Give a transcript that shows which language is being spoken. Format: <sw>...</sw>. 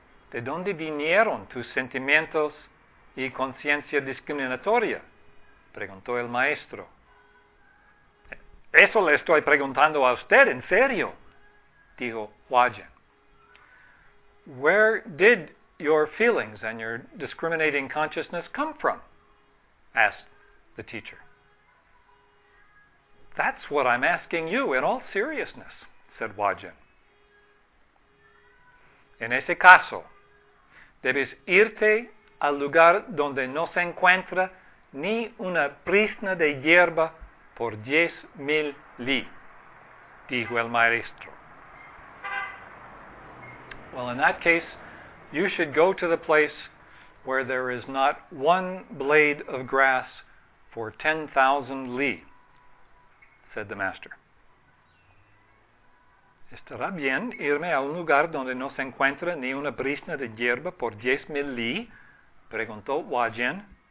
<es>"¿De dónde vinieron tus sentimientos y conciencia discriminatoria?" preguntó el maestro. "Eso le estoy preguntando a usted, en serio," dijo Huajian.</es> <en>"Where did your feelings and your discriminating consciousness come from?" asked the teacher. "That's what I'm asking you in all seriousness," said Huajian.</en> <es>"En ese caso, debes irte al lugar donde no se encuentra ni una brizna de hierba por 10,000 li, dijo el maestro.</es> <en>"Well, in that case, you should go to the place where there is not one blade of grass for 10,000 li, said the master.</en> <es>"Estará bien irme a un lugar donde no se encuentra ni una brizna de hierba por 10,000 li, preguntó Huajian.</es>